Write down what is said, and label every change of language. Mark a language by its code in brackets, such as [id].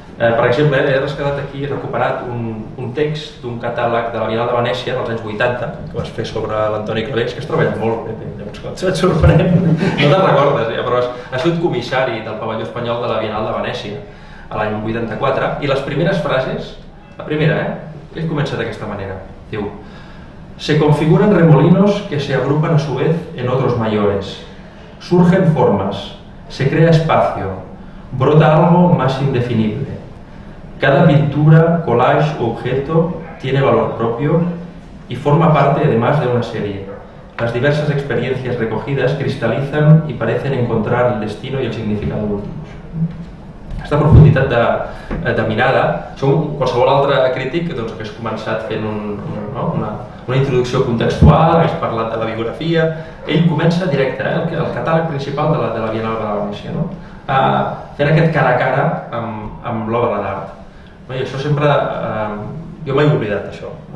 [ca] Per exemple, he rescatat aquí, he recuperat un text d'un catàleg de la Bienal de Venècia dels anys 80, que vas fer sobre l'Antoni Clavés, que has treballat molt, Pepe, llavors quan et sorprèn, no te'n recordes, ja, però has sigut comissari del pavelló espanyol de la Bienal de Venècia l'any 84, i les primeres frases, la primera, ell comença d'aquesta manera, diu: [es] se configuran remolinos que se agrupan a su vez en otros mayores. Surgen formas, se crea espacio, brota algo más indefinible. Cada pintura, collage o objeto tiene valor propio y forma parte además de una serie. Las diversas experiencias recogidas cristalizan y parecen encontrar el destino y el significado últimos. [ca] Aquesta profunditat de mirada, això qualsevol altre crític doncs, que hagués començat fent una introducció contextual, hagués parlat de la biografia, ell comença directe, el catàleg principal de la Bienal de Venècia, no? Fent aquest cara a cara amb l'obra d'art. No? I això sempre Jo mai m'he oblidat d'això.